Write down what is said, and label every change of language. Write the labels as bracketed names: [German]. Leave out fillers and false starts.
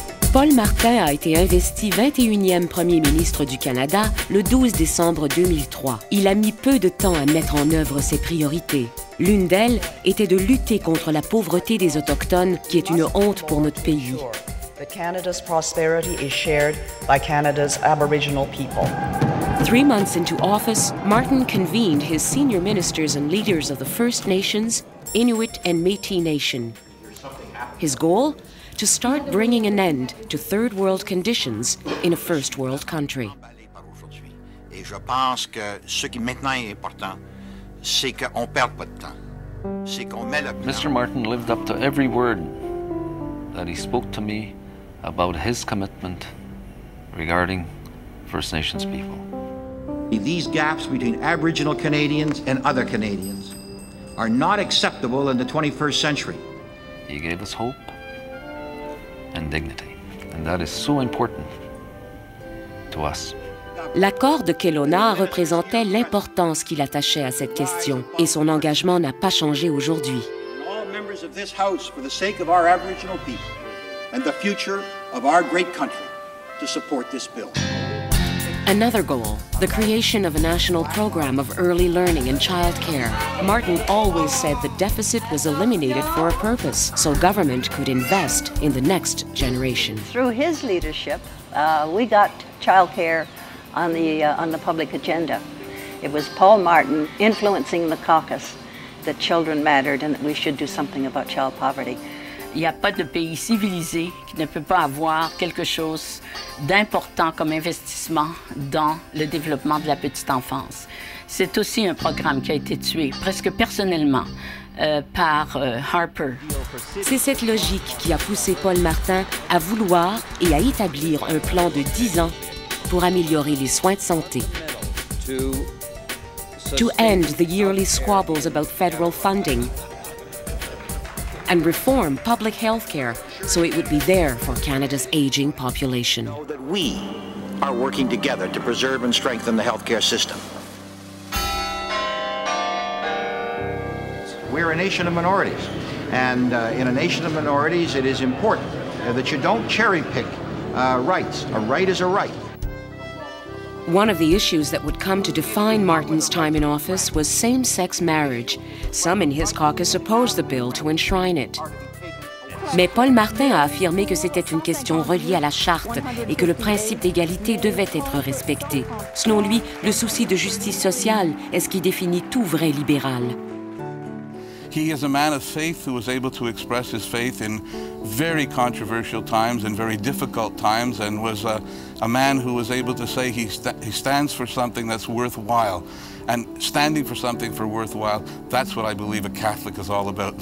[French] Paul Martin a été investi 21e Premier ministre du Canada le 12 décembre 2003. Il a mis peu de temps à mettre en œuvre ses priorités. L'une d'elles était de lutter contre la pauvreté des Autochtones, qui est une honte pour notre pays. [English] Canada's prosperity is shared by Canada's Aboriginal people. 3 months into office, Martin convened his senior ministers and leaders of the First Nations, Inuit and Métis Nation. His goal? To start bringing an end to third world conditions in a first world country. [French] Et je pense que ce qui maintenant est important, c'est qu'on perd pas de temps. C'est qu'on met le plan. [English] Mr. Martin lived up to every word that he spoke to me about his commitment regarding First Nations people. These gaps between Aboriginal Canadians and other Canadians are not acceptable in the 21st century. He gave us hope and dignity, and that is so important to us. [French] L'accord de Kelowna représentait l'importance qu'il attachait à cette question, et son engagement n'a pas changé aujourd'hui. [English] All members of this house, for the sake of our Aboriginal people and the future of our great country, to support this bill. Another goal, the creation of a national program of early learning and child care. Martin always said the deficit was eliminated for a purpose, so government could invest in the next generation. Through his leadership, we got child care on the public agenda. It was Paul Martin influencing the caucus that children mattered and that we should do something about child poverty. [French] Il n'y a pas de pays civilisé qui ne peut pas avoir quelque chose d'important comme investissement dans le développement de la petite enfance. C'est aussi un programme qui a été tué presque personnellement par Harper. C'est cette logique qui a poussé Paul Martin à vouloir et à établir un plan de 10 ans pour améliorer les soins de santé. [English] To end the yearly squabbles about federal funding, and reform public health care so it would be there for Canada's aging population. Know that we are working together to preserve and strengthen the health care system. We're a nation of minorities, and in a nation of minorities, it is important that you don't cherry pick rights. A right is a right. One of the issues that would come to define Martin's time in office was same-sex marriage. Some in his caucus opposed the bill to enshrine it. [French] Mais Paul Martin a affirmé que c'était une question reliée à la charte et que le principe d'égalité devait être respecté. Selon lui, le souci de justice sociale est ce qui définit tout vrai libéral. [English] He is a man of faith who was able to express his faith in very controversial times and very difficult times, and was a man who was able to say he stands for something that's worthwhile. And standing for something for worthwhile, that's what I believe a Catholic is all about.